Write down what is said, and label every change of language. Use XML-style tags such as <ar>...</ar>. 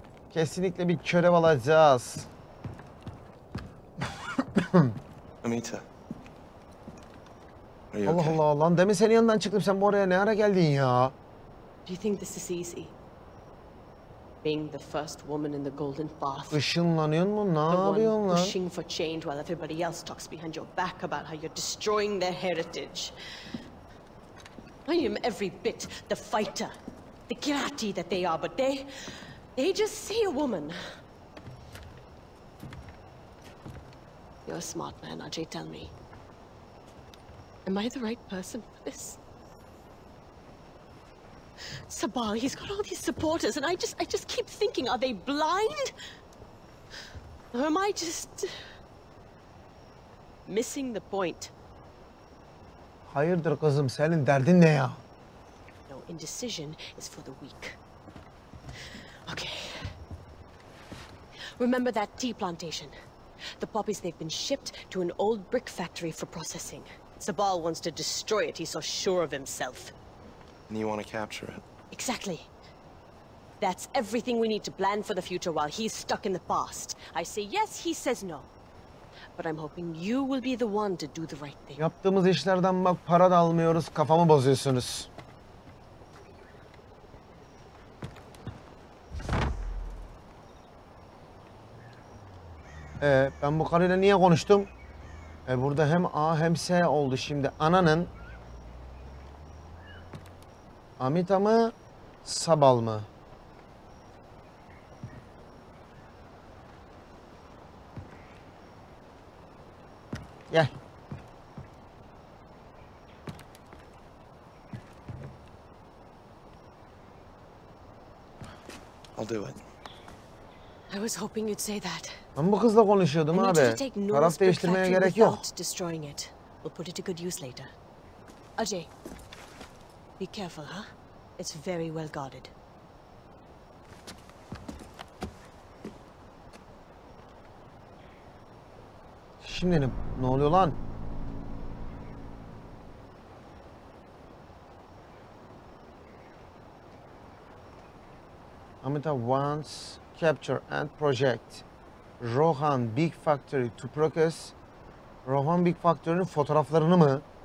<tr>Kesinlikle bir körev alacağız. Amita. Allah Allah lan. Demin senin yanından çıktım. Sen bu araya ne ara geldin ya?</tr> <en>Do you think this is easy? Being the first woman in the golden bath.</en> <tr>Işınlanıyorsun mu? Ne yapıyorsun lan?</tr> <en>The one pushing for change while everybody else talks behind your back about how you're destroying their heritage. I am every bit the fighter, the Kirati that they are, but they just see a woman. You're a smart man, Ajay, tell me. Am I the right person for this? Sabal, he's got all these supporters, and I just keep thinking, are they blind? Or am I just missing the point?</en> <tr>Hayırdır kızım, senin derdin ne ya?</tr> <en>No, indecision is for the weak. Okay. Remember that tea plantation? The poppies, they've been shipped to an old brick factory for processing. Sabal wants to destroy it, he's so sure of himself. And you want to capture it? Exactly. That's everything we need to plan for the future while he's stuck in the past. I say yes, he says no. But I'm hoping you will be the one to do the right thing.</en> <tr>Yaptığımız işlerden bak, para da almıyoruz, kafamı bozuyorsunuz. Ben bu karıyla niye konuştum? Burada hem A hem S oldu şimdi. Ananın Amita mı, Sabal mı? Gel.</tr> <en>I'll do it. I was hoping you'd say that.</en> <tr>Ben bu kızla konuşuyordum abi. Taraf değiştirmeye gerek yok.</tr> <en>Destroying it. We'll put it to good use later. Ajay, be careful, huh? It's very well guarded.</en> <tr>Şimdi ne oluyor lan?</tr> <en>Amita wants capture and project Rohan Big Factory to process.</en> <tr>Rohan Big Factory'nin fotoğraflarını mı?</tr>